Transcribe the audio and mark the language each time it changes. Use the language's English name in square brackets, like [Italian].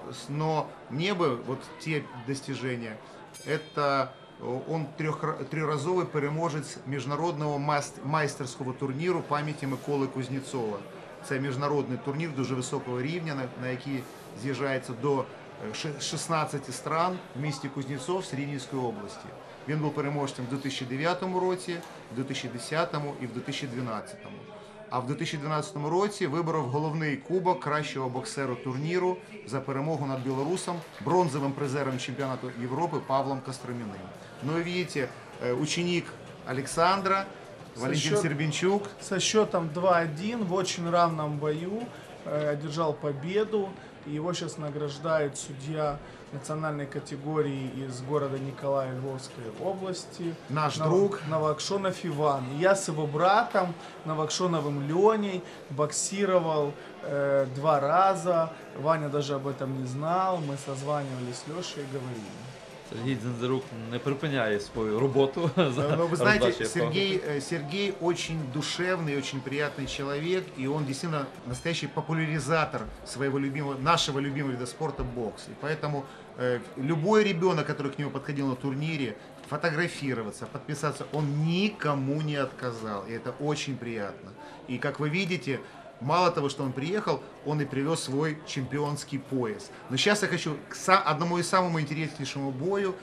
[Russian] но мне бы вот те достижения, это... [Ukrainian] Он триразовый переможець міжнародного майстерського турніру пам'яті Миколи Кузнєцова. Це міжнародний турнір дуже високого рівня, на який з'їжджається до 16 стран в місті Кузнєцов з Рівненської області. Він був переможцем в 2009 році, в 2010 і в 2012. А в 2012 році виборов головний кубок кращого боксера турніру за перемогу над білорусом, бронзовим призером чемпіонату Європи Павлом Костроміним. [Russian] Ну, видите, ученик Александра, Валентин Сербенчук. Со счетом 2-1 в очень равном бою одержал победу. Его сейчас награждает судья национальной категории из города Николая Львовской области. Наш друг. Новокшонов Иван. Я с его братом, Новокшоновым Леней, боксировал два раза. Ваня даже об этом не знал. Мы созванивались с Лешей и говорили. [Ukrainian] Сергій Дзендерук не припиняє свою роботу. Ну, ви знаєте, Сергій [Russian] очень душевний, очень приятний [Ukrainian] чоловік, і він дійсно настоящий популяризатор своєго нашого любимого виду спорту бокс. І тому [Russian] любой ребенок, который к нему подходил на турнире, фотографироваться, подписаться, он никому не отказал. И это очень приятно. И как вы видите, мало того, что он приехал, он и привез свой чемпионский пояс. Но сейчас я хочу к одному из самому интереснейшему бою.